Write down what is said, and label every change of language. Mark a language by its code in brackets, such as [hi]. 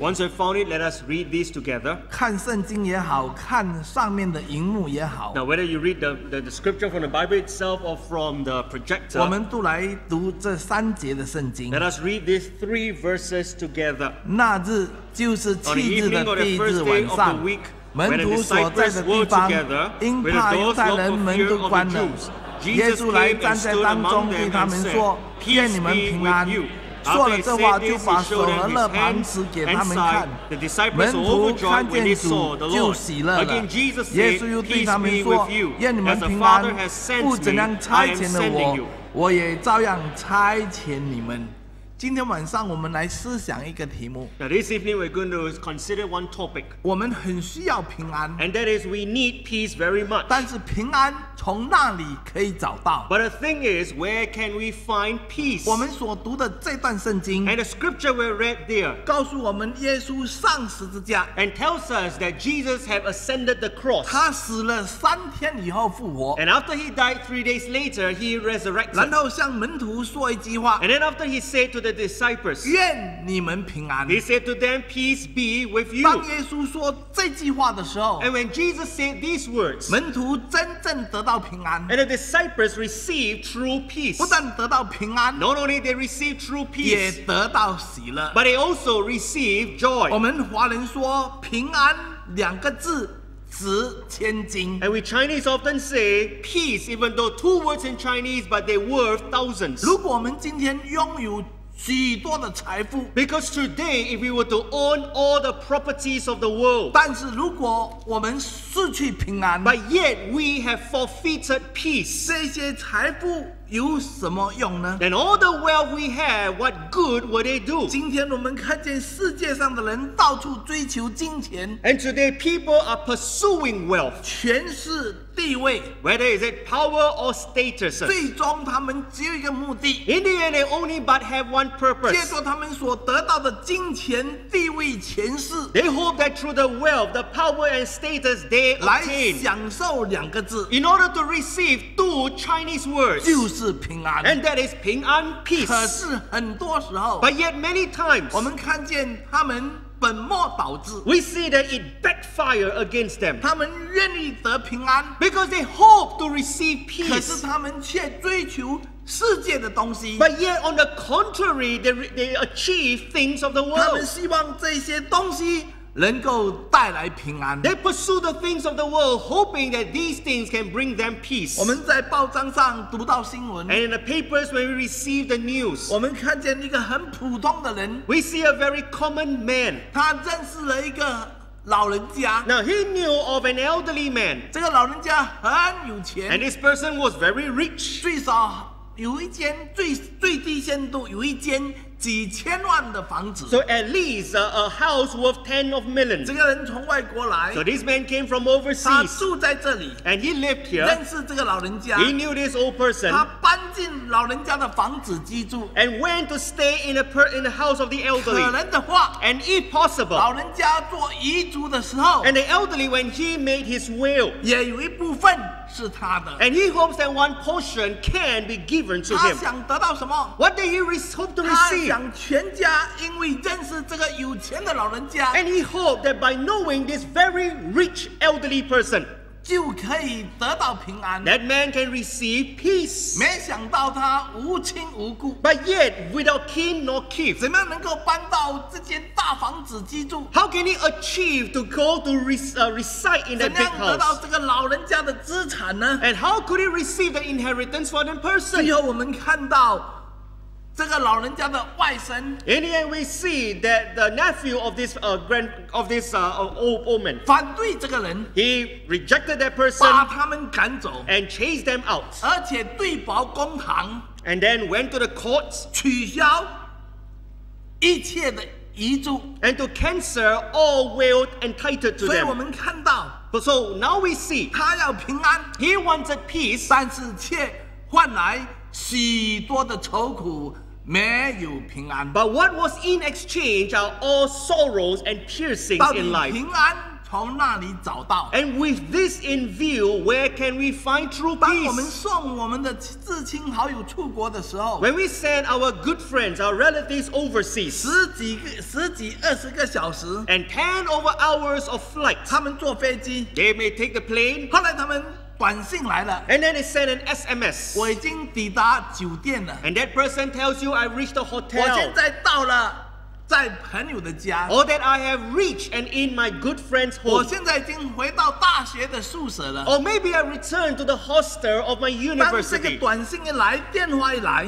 [en] Once we found it, let us read this together. [zh] 看圣经也好，看上面的荧幕也好。 [en] Now whether you read the scripture from the Bible itself or from the projector, [zh] 我们都来读这三节的圣经。 [en] Let us read these three verses together. [zh] 那日就是七日的第一日晚上，门徒所在的地方，因怕犹太人门都关了，耶稣来站在当中，对他们说：“愿你们平安。” 说了这话，就把手和肋盘指给他们看。门徒看见主，就喜乐了。耶稣又对他们说：“愿你们平安。父怎样差遣了我，我也照样差遣你们。” 今天晚上我们来思想一个题目。 [en] Now this evening we're going to consider one topic. [zh] 我们很需要平安。 [en] And that is we need peace very much. [zh] 但是平安从哪里可以找到？ [en] But the thing is, where can we find peace? [zh] 我们所读的这段圣经。 [en] And the scripture we read there. [zh] 告诉我们耶稣上十字架。 [en] And tells us that Jesus have ascended the cross. [zh] 他死了三天以后复活。 [en] And after he died 3 days later, he resurrected. [zh] 然后向门徒说一句话。 [en] And then after he said to the disciples, [zh] 愿你们平安。 [en] He said to them, peace be with you. [zh] 当耶稣说这句话的时候， [en] And when Jesus said these words, [zh] 门徒真正得到平安。 [en] And the disciples received true peace. [zh] 不但得到平安， [en] Not only they received true peace, [zh] 也得到喜乐。 [en] But they also received joy. [zh] 我们华人说平安两个字值千金。 [en] And we Chinese often say peace, even though two words in Chinese, but they're worth thousands. [zh] 如果我们今天拥有许多的财富， [en] because today if we were to own all the properties of the world, [zh] 但是如果我们失去平安， [en] but yet we have forfeited peace, [zh] 这些财富有什么用呢？ [en] Then all the wealth we have, what good would it do? [zh] 今天我们看见世界上的人到处追求金钱， [en] and today people are pursuing wealth, [zh] 权势地位， [en] whether is it power or status, [zh] 最终他们只有一个目的， [en] in the end they only but have one purpose, [zh] 借助他们所得到的金钱地位权势， [en] they hope that through the wealth, the power and status they obtain, [zh] 来享受两个字， [en] in order to receive two Chinese words, [zh] 就是平安。 [en] And that is 平安 peace. [zh] 可是很多时候， [en] but yet many times, [zh] 我们看见他们本末倒置， [en] we see that it backfire against them. [zh] 他们愿意得平安， [en] because they hope to receive peace. [zh] 可是他们却追求世界的东西， [en] but yet on the contrary, they achieve things of the world. [zh] 他们希望这些东西能够带来平安。 [en] They pursue the things of the world, hoping that these things can bring them peace. [zh] 我们在报章上读到新闻， [en] and in the papers when we receive the news, [zh] 我们看见一个很普通的人， [en] we see a very common man. [zh] 他认识了一个老人家。 [en] Now he knew of an elderly man. [zh] 这个老人家很有钱， [en] and this person was very rich. [zh] 最少有一间最最低限度有一间几千万的房子。 [en] So at least a house worth ten of million. [zh] 这个人从外国来。 [en] So this man came from overseas. [zh] 他住在这里。 [en] And he lived here. [zh] 认识这个老人家。 [en] He knew this old person. [zh] 他搬进老人家的房子居住。 [en] And went to stay in the house of the elderly. [zh] 可能的话。 [en] And if possible. [zh] 老人家做遗嘱的时候。 [en] And the elderly when he made his will. [zh] 也有一部分。是他的。 [en] And he hopes that one portion can be given to him. [zh] 他想得到什么？ [en] What did he hope to receive? [zh] 他想全家因为认识这个有钱的老人家。 [en] And he hoped that by knowing this very rich elderly person, [zh] 就可以得到平安。 [en] That man can receive peace. [zh] 没想到他无亲无故。 [en] But yet, without kin nor kith, [zh] 怎么样能够搬到这间大房子居住？ [en] How can he achieve to go to reside in that big house? [zh] 怎样得到这个老人家的资产呢？ [en] And how could he receive the inheritance for that person? [zh] 最后我们看到这个老人家的外甥。 [en] In the end, we see that the nephew of this old man [zh] 反对这个人。 [en] He rejected that person, [zh] 把他们赶走。 [en] And chased them out, [zh] 而且对簿公堂。 [en] And then went to the courts, [zh] 取消一切的遗嘱。 [en] And to cancel all will entitled to them. [zh] 所以我们看到。 [en] But so now we see, [zh] 他要平安。 [en] He wanted peace, [zh] 但是却换来许多的愁苦，没有平安。 [en] But what was in exchange are all sorrows and piercings in life. [zh] 平安从那里找到。 [en] And with this in view, where can we find true peace? [zh] 当我们送我们的至亲好友出国的时候 [en] ，When we send our good friends, our relatives overseas, [zh] 十几二十个小时 [en] ，And ten over hours of flight, [zh] 他们坐飞机 [en] ，They may take the plane. [zh] 后来他们短信来了 [en] ，and then they send an SMS. [zh] 我已经抵达酒店了 [en] ，and that person tells you I reached the hotel. [zh] 我现在到了，在朋友的家 [en] ，or that I have reached and in my good friend's home. [zh] 我现在已经回到大学的宿舍了 [en] ，or maybe I returned to the hostel of my university. [zh] 当这个短信一来，电话一来